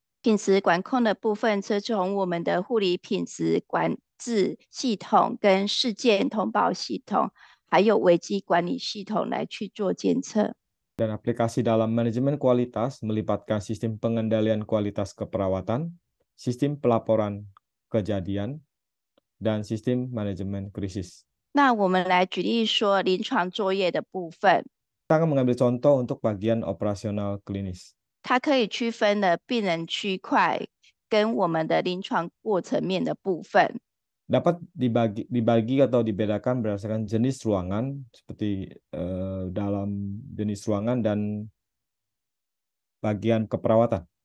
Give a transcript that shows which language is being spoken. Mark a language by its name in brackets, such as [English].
[Chinese] 品质管控的部分则从我们的护理品质管制系统、跟事件通报系统，还有危机管理系统来去做监测。 [Indonesian] Dan aplikasi dalam manajemen kualitas melibatkan sistem pengendalian kualitas keperawatan, sistem pelaporan kejadian, dan sistem manajemen krisis. [Chinese] 那我们来举例说临床作业的部分。 [Indonesian] Kita akan mengambil contoh untuk bagian operasional klinis. [Chinese] 它可以区分的病人区块跟我们的临床过程面的部分。 [Indonesian] Dapat dibagi atau dibedakan berdasarkan jenis ruangan seperti dalam jenis ruangan dan bagian keperawatan.